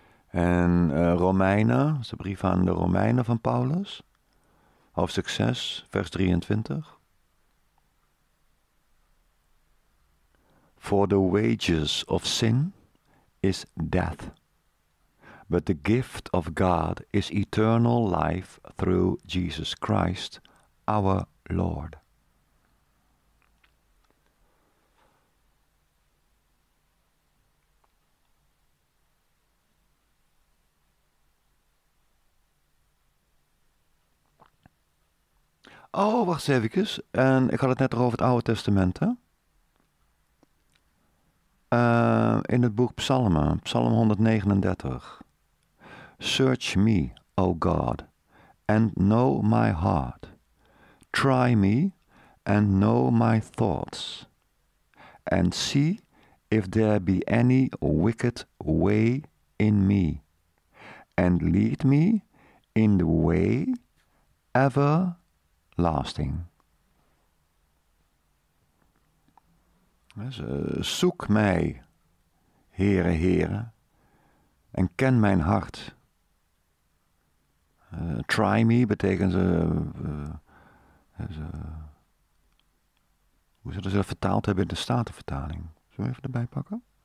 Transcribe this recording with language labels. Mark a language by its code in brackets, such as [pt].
[en] En Romeinen, dat is de brief aan de Romeinen van Paulus, hoofdstuk 6, vers 23. For the wages of sin is death, but the gift of God is eternal life through Jesus Christ, our Lord. [nl] Oh, wacht eens even. En ik had het net over het Oude Testament. Hè? In het boek Psalmen, Psalm 139. [en] Search me, O God, and know my heart. Try me, and know my thoughts. And see if there be any wicked way in me. And lead me in the way ever lasting. [nl] Dus, zoek mij, Heere, Heere, en ken mijn hart. [en] Try me [nl] betekent hoe zullen ze dat vertaald hebben in de Statenvertaling? Zullen we even erbij pakken?